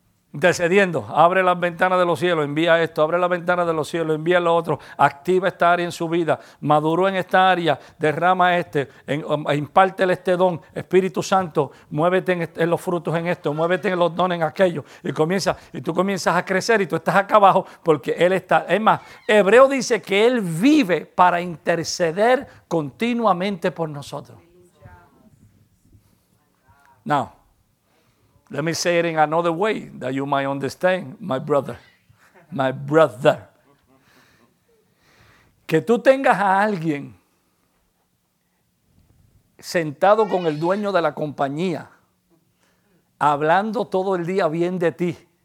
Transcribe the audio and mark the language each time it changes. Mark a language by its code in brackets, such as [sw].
[es] Intercediendo, abre las ventanas de los cielos, envía esto, abre las ventanas de los cielos, envía lo otro, activa esta área en su vida, maduró en esta área, derrama este, impártele este don, Espíritu Santo, muévete en los frutos en esto, muévete en los dones en aquello, y comienza, y tú comienzas a crecer y tú estás acá abajo porque Él está, es más, Hebreo dice que Él vive para interceder continuamente por nosotros. [en] Now, let me say it in another way that you might understand, my brother. My brother. [es] Que tú tengas a alguien sentado con el dueño de la compañía, hablando todo el día bien de ti.